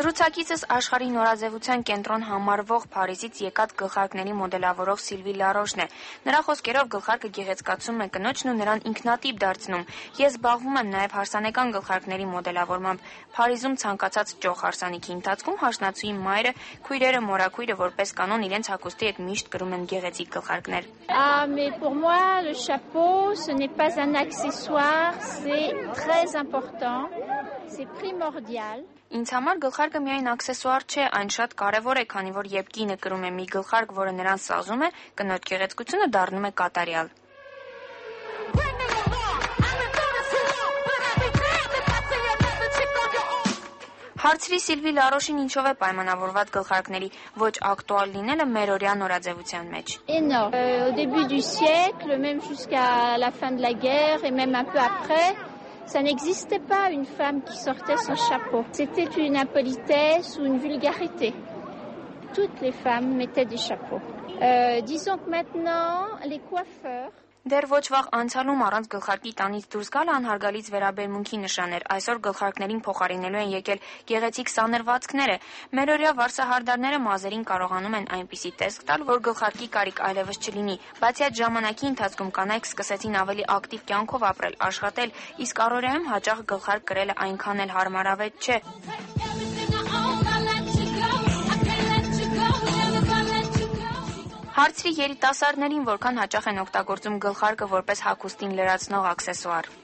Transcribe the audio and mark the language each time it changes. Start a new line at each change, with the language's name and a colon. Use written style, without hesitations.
Armenian: Զրուցակիցս աշխարհի նորաձևության կենտրոն համարվող Փարիզից եկած գլխարկների մոդելավորող Սիլվի Լարոշն է։ Նրա խոսքերով գլխարկը գեղեցկացում է կնոջն ու նրան ինքնատիպ դարձնում։ Ես զբաղվում եմ նաև հարսանեկան գլխարկների մոդելավորմամբ։ Փարիզում ցանկացած ճոխ հարսանիքի ընթացքում հաշնացուի մայրը, քույրերը, մորաքույրը որպես կանոն իրենց հագուստի հետ միշտ կրում են գեղեցիկ գլխարկներ։
French: Mais pour moi le chapeau ce n'est pas un accessoire, c'est très important, c'est primordial.
Armenian: Ինձ համար գլխարկը միայն աքսեսուար չէ, այն շատ կարևոր է, քանի որ երբ կինը կրում է մի գլխարկ, որը նրան սազում է, կնոջ գեղեցկությունը դառնում է կատարյալ։ Հարցրի Սիլվի Լարոշին ինչով է պայմանավորված գլխարկների ոչ ակտուալ լինելը մեր օրյա նորաձևության մեջ։
French: Ինո, au début du siècle, même jusqu'à la fin de la guerre et même un peu après, ça n'existait pas une femme qui sortait son chapeau. C'était une impolitesse ou une vulgarité. Toutes les femmes mettaient des chapeaux. Disons que maintenant, les coiffeurs...
Armenian: Դեռ ոչ վաղ անցյալում առանց գլխարկի տանից դուրս գալը անհարգալից վերաբերմունքի նշան էր։ Այսօր գլխարկներին փոխարինելու են եկել գեղեցիկ սանրվածքները։ Մերօրյա վարսահարդարները մազերին կարողանում են այնպիսի տեսք տալ, որ գլխարկի կարիք այլևս չլինի։ Բացի այդ, ժամանակի ընթացքում կանայք սկսեցին ավելի ակտիվ կյանքով ապրել, աշխատել, իսկ առօրյայում հաճախ գլխարկ կրելը այնքան էլ հարմարավետ չէ։ Հարցրի երիտասարդներին, որքան հաճախ են օգտագործում գլխարկը որպես հագուստին լրացնող աքսեսուար։